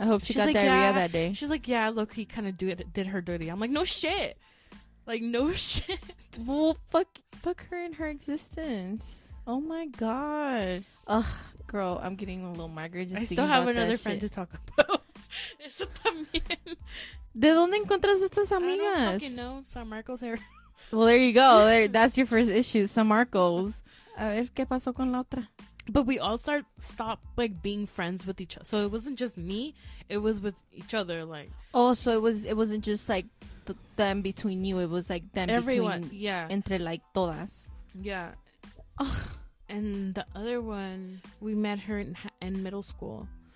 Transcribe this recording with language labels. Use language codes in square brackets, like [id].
[en] I hope she got, like, diarrhea, yeah, that day. She's like, yeah, look, he kind of did her dirty. I'm like, no shit. Like, no shit. Well, fuck her in her existence. Oh my God. Ugh, girl, I'm getting a little migraine just thinking about that. I still have another friend shit. To talk about. [es] Eso también. ¿De dónde encuentras estas amigas? [en] I don't fucking know. San Marcos here. Well, there you go. That's your first issue. San Marcos. [es] A ver, ¿qué pasó con la otra? [en] But we all stopped, like, being friends with each other. So it wasn't just me. It was with each other, like. Oh, so it wasn't just, like, them between you. It was, like, them everyone, between. Yeah. [es] Entre, like, todas. [en] Yeah. Ugh. And the other one, we met her in middle school.